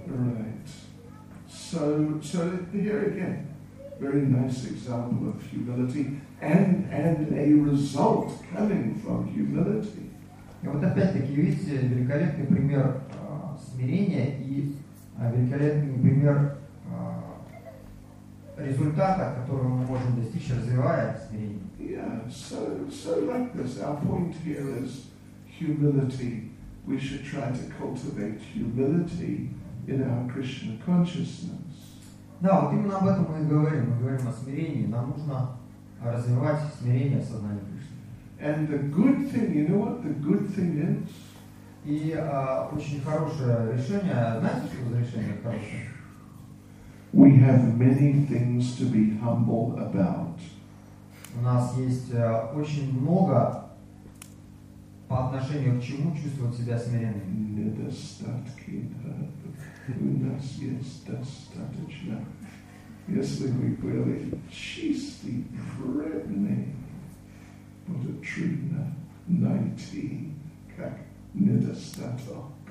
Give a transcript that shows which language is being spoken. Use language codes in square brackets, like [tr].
[en] Right. So here again, very nice example of humility and a result coming from humility. [ru] И вот опять-таки видите великолепный пример смирения и великолепный пример результата, который мы можем достичь, развивая смирение. [en] So like this. Our point here is humility. We should try to cultivate humility in our Krishna consciousness. [ru] Да, вот именно об этом мы и говорим. Мы говорим о смирении. Нам нужно развивать смирение в сознании Кришны. [en] And the good thing, you know what the good thing is? [ru] И очень хорошее решение. Знаете, что за решение хорошее? [en] We have many things to be humble about. [ru] У нас есть очень много по отношению к чему чувствовать себя смиренным. Недостатки, да. У нас есть достаточно. Если мы были чистые, преданные, вот это трудно найти, как недостаток.